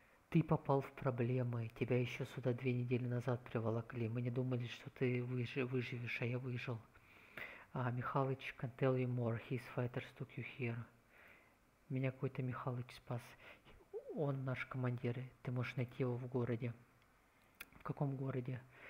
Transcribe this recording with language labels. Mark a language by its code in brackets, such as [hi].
[ru] Ты попал в проблемы. Тебя еще сюда 2 недели назад приволокли. Мы не думали, что ты выживешь, а я выжил. [en] Михалыч, can tell you more. His fighters took you here. [ru] Меня какой-то Михалыч спас. Он наш командир. Ты можешь найти его в городе. В каком городе?